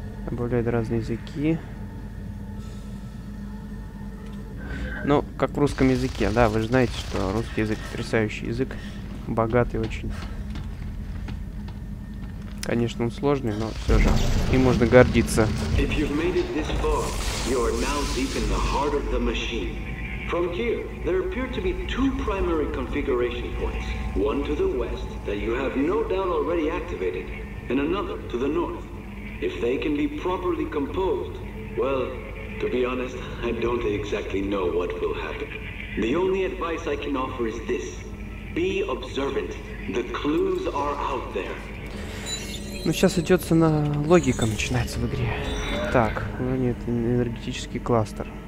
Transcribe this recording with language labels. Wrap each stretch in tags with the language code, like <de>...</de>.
<ru>Добавляют разные языки. Ну, как в русском языке, да, вы же знаете, что русский язык потрясающий язык, богатый очень. Конечно, он сложный, но все же, и можно гордиться.</ru> <en>If you've made it this far, you're now deep in the heart of the machine. From here, there appear to be two primary configuration points. One to the west, that you have no doubt already activated, and another to the north. If they can be properly composed, well, to be honest, I don't exactly know what will happen. The only advice I can offer is this. Be observant. The clues are out there.</en> <ru>Ну, сейчас идет цена логика начинается в игре. Так, ну нет, энергетический кластер.</ru>